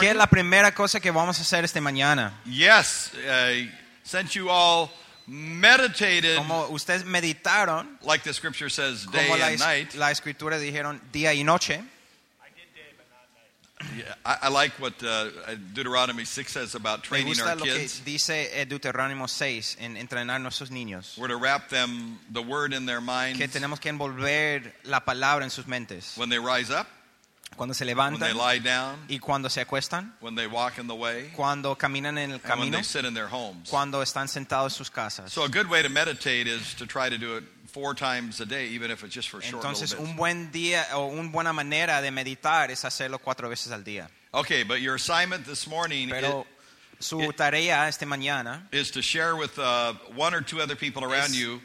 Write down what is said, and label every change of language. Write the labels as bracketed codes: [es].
[es] ¿Qué es la primera cosa que vamos a hacer esta mañana? [en] Yes, since you all meditated, [es] como ustedes meditaron, [en] like the scripture says, day [es] como [en] and night. [es] La escritura dijeron día y noche. [en] Yeah, I like what Deuteronomy 6 says about training our kids. [es] Me gusta lo que dice Deuteronomio 6 en entrenar nuestros niños. [en] We're to wrap them the word in their minds. [es] Que tenemos que envolver la palabra en sus mentes. [en] When they rise up. [es] Cuando se levantan. [en] When they lie down. [es] Y cuando se acuestan. [en] When they walk in the way. [es] Cuando caminan en el camino. [en] And when they sit in their homes. [es] Cuando están sentados en sus casas. [en] So a good way to meditate is to try to do it 4 times a day, even if it's just for a short [es] entonces, [en] little bit. [es] Entonces, un buen día o una buena manera de meditar es hacerlo 4 veces al día. [en] Okay, but your assignment this morning. [es] Pero su tarea esta mañana [en] is to share with one or two other people around you.